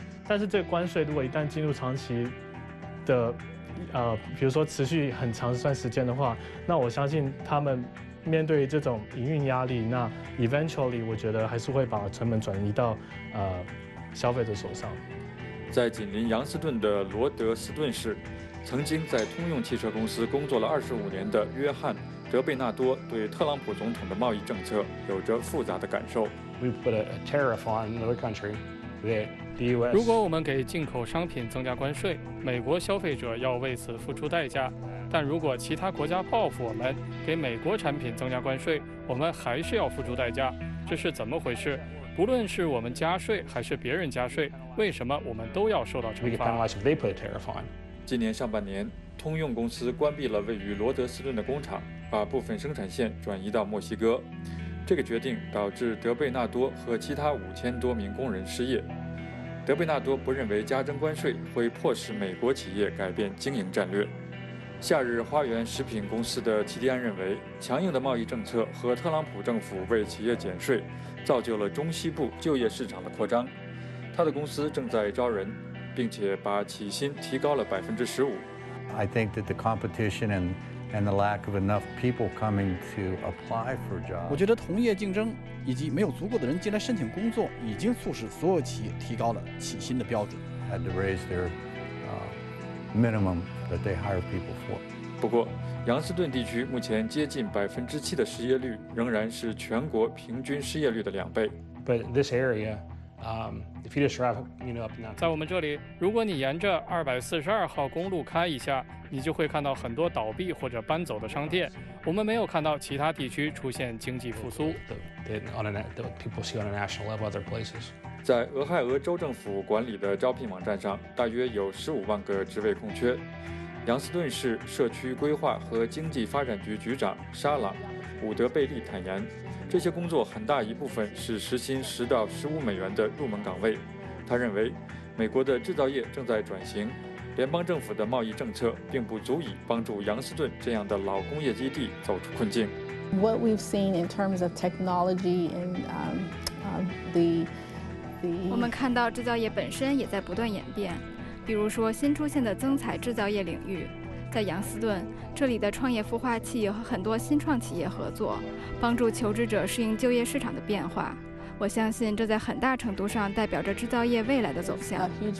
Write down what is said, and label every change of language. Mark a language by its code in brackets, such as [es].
[zh] 但是这个关税如果一旦进入长期的比如说持续很长一段时间的话，那我相信他们面对这种营运压力，那 eventually 我觉得还是会把成本转移到消费者手上。在紧邻杨斯顿的罗德斯顿市，曾经在通用汽车公司工作了25年的约翰·德贝纳多对特朗普总统的贸易政策有着复杂的感受。 [en] We put a tariff on another country that the U.S. [zh] 如果我们给进口商品增加关税，美国消费者要为此付出代价。但如果其他国家报复我们，给美国产品增加关税，我们还是要付出代价。这是怎么回事？不论是我们加税还是别人加税，为什么我们都要受到惩罚 [en] ？We get penalized if they put a tariff on. [zh] 今年上半年，通用公司关闭了位于罗德斯顿的工厂，把部分生产线转移到墨西哥。这个决定导致德贝纳多和其他5000多名工人失业。德贝纳多不认为加征关税会迫使美国企业改变经营战略。夏日花园食品公司的齐迪安认为，强硬的贸易政策和特朗普政府为企业减税，造就了中西部就业市场的扩张。他的公司正在招人，并且把起薪提高了15%。 [en] I think that the competition and the lack of enough people coming to apply for jobs. [zh] 我觉得同业竞争以及没有足够的人进来申请工作，已经促使所有企业提高了起薪的标准。 [en] Had to raise their minimum that they hire people for. [zh] 不过，杨斯顿地区目前接近7%的失业率，仍然是全国平均失业率的2倍。 [en] But this area. If you just drive, you know, up now. [zh] 在我们这里，如果你沿着242号公路开一下，你就会看到很多倒闭或者搬走的商店。我们没有看到其他地区出现经济复苏。 [en] People see on a national level other places. [zh] 在俄亥俄州政府管理的招聘网站上，大约有150,000个职位空缺。杨斯顿市社区规划和经济发展局局长沙朗·伍德贝利坦言。这些工作很大一部分是时薪10到15美元的入门岗位。他认为，美国的制造业正在转型，联邦政府的贸易政策并不足以帮助杨斯顿这样的老工业基地走出困境。 [en] What we've seen in terms of technology and the [zh] 我们看到制造业本身也在不断演变，比如说新出现的增材制造业领域。在杨斯顿，这里的创业孵化器和很多新创企业合作，帮助求职者适应就业市场的变化。我相信这在很大程度上代表着制造业未来的走向。